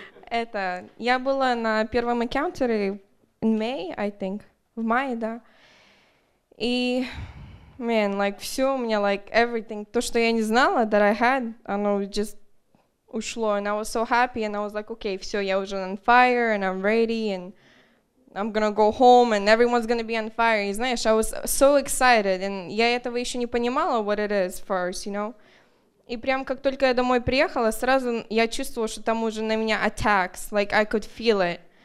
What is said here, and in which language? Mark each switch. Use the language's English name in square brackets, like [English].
[Russian] Это я была на первом [English] encounter in May, I think. [Russian] В мае, да. И, [English] man, like, [Russian] все у меня, [English] like, everything, [Russian] то, что я не знала, [English] that I had, [Russian] оно just ушло. [English] And I was so happy, and I was like, okay, [Russian] все, я уже [English] on fire, and I'm ready, and I'm gonna go home, and everyone's gonna be on fire. You [Russian] знаешь, [English] I was so excited, and [Russian] я этого еще не понимала, [English] what it is first, you know? [Russian] И прям как только я домой приехала, сразу я чувствовала, что там уже на меня [English] attacks, like, I could feel it.